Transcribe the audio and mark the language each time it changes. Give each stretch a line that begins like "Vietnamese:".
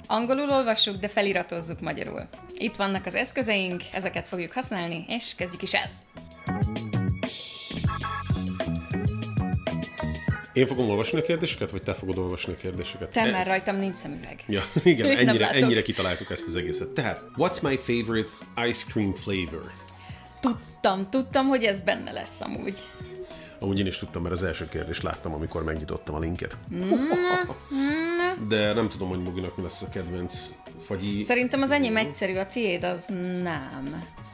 Hungarian: Angolul olvassuk, de feliratozzuk magyarul. Itt vannak az eszközeink, ezeket fogjuk használni, és kezdjük is el! Én fogom olvasni a kérdéseket, vagy te fogod olvasni a kérdéseket? Te már rajtam nincs szemüveg. Ja, igen, ennyire kitaláltuk ezt az egészet. Tehát,
English: what's my favorite ice cream flavor?
Hungarian: Tudtam, hogy ez benne lesz amúgy. Amúgy én is tudtam, mert az első kérdést láttam, amikor megnyitottam a linket. De nem tudom, hogy Moginak mi lesz a kedvenc fagyi... Szerintem az enyém egyszerű, a tiéd az nem.